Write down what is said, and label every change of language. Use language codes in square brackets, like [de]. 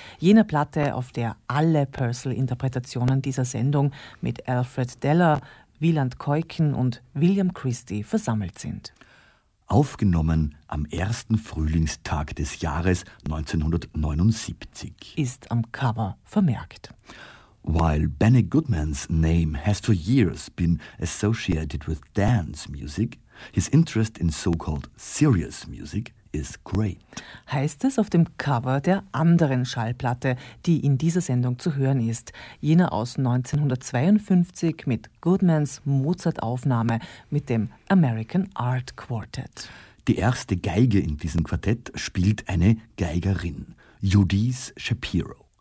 [de] Jener Platte, auf der alle Purcell-Interpretationen dieser Sendung mit Alfred Deller, Wieland Keuken und William Christie versammelt sind. Aufgenommen am ersten Frühlingstag des Jahres 1979. Ist am Cover vermerkt. [en] While Benny Goodman's name has for years been associated with dance music, his interest in so-called serious music is great. [de] Heißt es auf dem Cover der anderen Schallplatte, die in dieser Sendung zu hören ist, jener aus 1952 mit Goodmans Mozart-Aufnahme mit dem American Art Quartet. Die erste Geige in diesem Quartett spielt eine Geigerin, Judith Shapiro.